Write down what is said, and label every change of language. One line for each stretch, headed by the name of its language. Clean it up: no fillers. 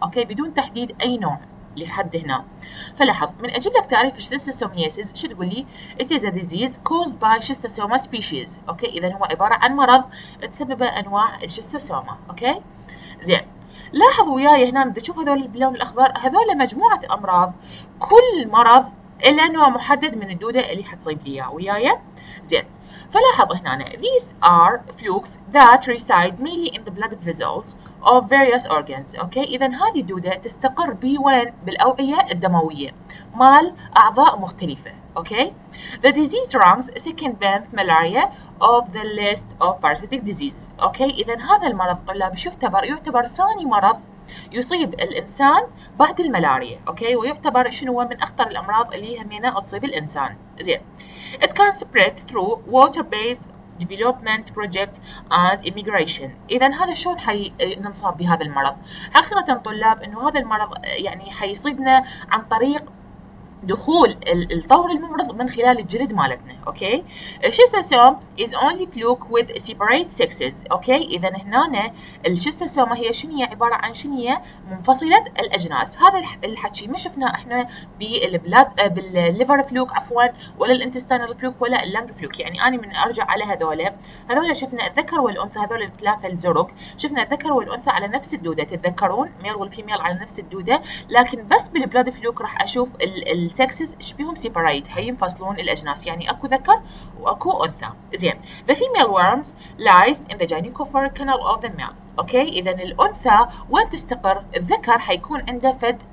Arabic: أوكي بدون تحديد أي نوع لحد هنا. فلاحظ من اجيب لك تعريف الشيستوسومياسيس شو تقول لي؟
English: It is a disease caused by schistosoma species.
Arabic: اوكي اذا هو عباره عن مرض تسببه انواع الشيستوسوما. اوكي زين لاحظ وياي هنا تشوف هذول باللون الاخضر هذول مجموعه امراض، كل مرض له نوع محدد من الدوده اللي حتصيب لي اياه وياي. زين فلاحظ هنا
English: these are flukes that reside mainly in the blood vessels of various organs.
Arabic: اوكي اذا هذه الدوده تستقر ب وين؟ بالاوعيه الدمويه مال اعضاء مختلفه.
English: Okay the disease ranks second benth malaria of the list of parasitic diseases.
Arabic: اوكي اذا هذا المرض طلاب شو يعتبر؟ يعتبر ثاني مرض يصيب الانسان بعد الملاريا. اوكي ويعتبر شنو من اخطر الامراض اللي همينا تصيب الانسان.
English: زين it can spread through water based development project and immigration.
Arabic: اذا هذا شلون حننصاب بهذا المرض؟ حقيقه طلاب انه هذا المرض يعني حيصيبنا عن طريق دخول الطور الممرض من خلال الجلد مالتنا.
English: Okay الشيستوسوم is only fluke with separate sexes.
Arabic: اوكي اذا هنا الشيستوسوم هي شنية؟ عبارة عن شنية منفصلة الاجناس. هذا الحكي ما شفناه احنا بالبلاد بالليفر فلوك عفوا ولا الانتستانال فلوك ولا اللانج فلوك، يعني انا من ارجع على هذول شفنا الذكر والانثى، هذول الثلاثة الزرق شفنا الذكر والانثى على نفس الدودة، تتذكرون ميل والفيميل على نفس الدودة، لكن بس بالبلاد فلوك راح اشوف السكسز شبيهم سيبريت حينفصلون الاجناس، يعني اكو ذكر واكو انثى.
English: زين the female worms lies in the gynecophore canal of the male.
Arabic: اوكي اذا الانثى وين تستقر؟ الذكر حيكون عنده فد